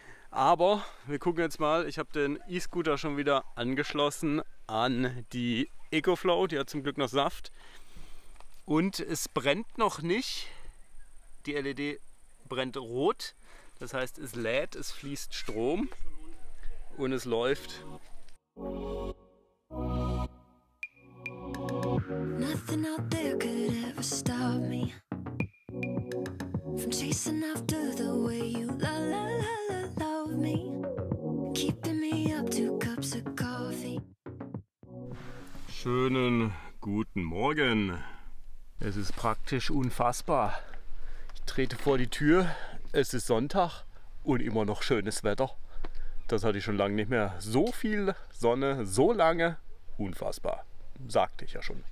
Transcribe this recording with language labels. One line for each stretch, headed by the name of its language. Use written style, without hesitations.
German: Aber wir gucken jetzt mal, ich habe den E-Scooter schon wieder angeschlossen an die EcoFlow. Die hat zum Glück noch Saft. Und es brennt noch nicht. Die LED brennt rot. Das heißt, es lädt, es fließt Strom und es läuft.
English: Nothing out there could ever stop me from chasing after the way you la la la la love me, keeping me up two cups of coffee.
German: Schönen guten Morgen. Es ist praktisch unfassbar. Ich trete vor die Tür. Es ist Sonntag und immer noch schönes Wetter. Das hatte ich schon lange nicht mehr. So viel Sonne, so lange, unfassbar. Sagte ich ja schon.